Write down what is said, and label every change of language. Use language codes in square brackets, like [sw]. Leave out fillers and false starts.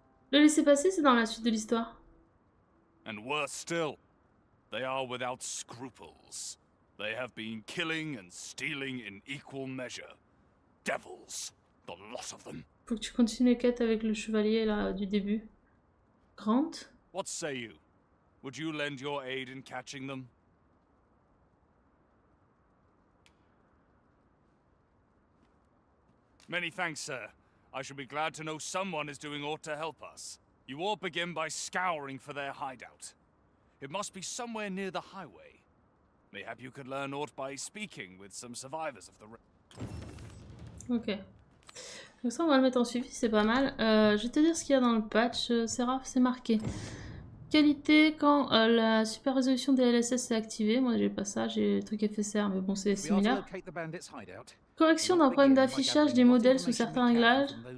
[fr] Le laisser passer, c'est dans la suite de l'histoire. [en] And worse still, they are without scruples. They have been killing and stealing in equal measure. Devils, the lot of them. Faut que tu continues la quête avec le chevalier là du début. Grant? What say you? Would you lend your aid in catching them? Many thanks, sir. I should be glad to know someone is doing aught to help us. You all begin by scouring for their hideout. It must be somewhere near the highway. Mayhap you could learn aught by speaking with some survivors of the... Ok. [fr] Donc ça, on va le mettre en suivi, c'est pas mal. Je vais te dire ce qu'il y a dans le patch, Seraph, c'est marqué. Qualité, quand la super résolution des LSS est activée. Moi, j'ai pas ça, j'ai le truc FSR, mais bon, c'est similaire. Correction d'un problème d'affichage des modèles sous certains réglages.